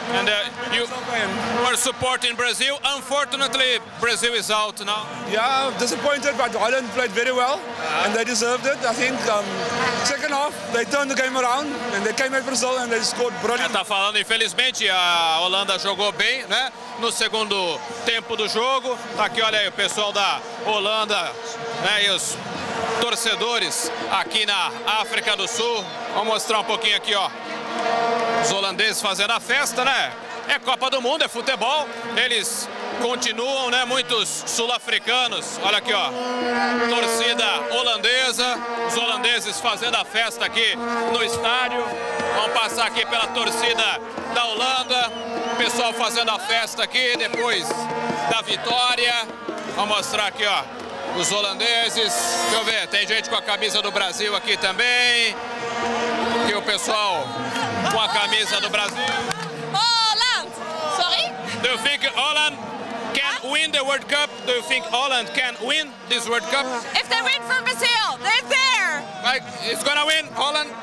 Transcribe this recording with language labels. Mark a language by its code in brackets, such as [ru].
[en] And you are supporting Brazil. Unfortunately, Brazil is out now. Yeah, disappointed, but Holland played very well, and they deserved it. I think second half they turned the game around and they came at Brazil and they scored brilliant. [pt] Está falando, infelizmente, a Holanda jogou bem, né? No segundo tempo do jogo. Tá aqui, olha aí, o pessoal da Holanda, né? E os torcedores aqui na África do Sul. Vou mostrar um pouquinho aqui, ó. Os holandeses fazendo a festa, né? É Copa do Mundo, é futebol. Eles continuam, né? Muitos sul-africanos. Olha aqui, ó. Torcida holandesa. Os holandeses fazendo a festa aqui no estádio. Vamos passar aqui pela torcida da Holanda. O pessoal fazendo a festa aqui depois da vitória. Vou mostrar aqui, ó. Os holandeses, deixa eu ver, tem gente com a camisa do Brasil aqui também. E o pessoal com a camisa do Brasil. [en] Holland! Sorry? Do you think Holland can win the World Cup? Do you think Holland can win this World Cup? If they win from Brazil, they're there! Like, it's gonna win, Holland?